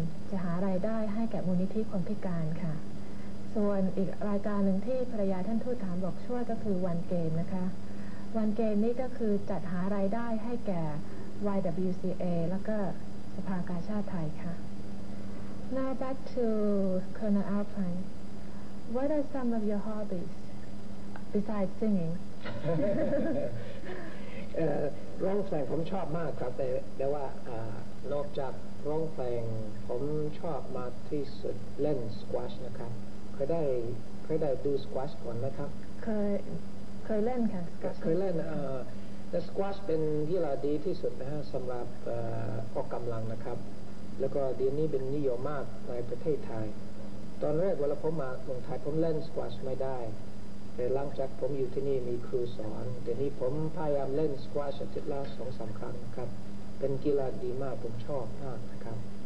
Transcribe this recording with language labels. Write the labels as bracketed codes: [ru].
[th] จะหารายได้ให้แก่มูลนิธิคนพิการค่ะส่วนอีกรายการหนึ่งที่ภรรยาท่านทูตทหารบอกช่วยก็คือวันเกมนะคะวันเกมนี้ก็คือจัดหารายได้ให้แก่YWCA แล้วก็สภากาชาดไทยค่ะ [en] Now back to Colonel Alpine. What are some of your hobbies besides singing? [th] ร้องเพลงผมชอบมากครับแต่ว่านอกจากร้องเพลงผมชอบมากที่สุดเล่นสควอชนะครับเคยได้ดูสควอชก่อนไหมครับ เคยเล่นค่ะสควอช เคยเล่นแต่สควอชเป็นกีฬาดีที่สุดนะฮะสำหรับออกกำลังนะครับแล้วก็เดี๋ยวนี้เป็นนิยมมากในประเทศไทยตอนแรกเวลาผมมาเมืองไทยผมเล่นสควอชไม่ได้แต่หลังจากผมอยู่ที่นี่มีครูสอนเดี๋ยวนี้ผมพยายามเล่นสควอชอาทิตย์ละ 2-3 ครั้งนะครับเป็นกีฬาดีมากผมชอบมากนะครับ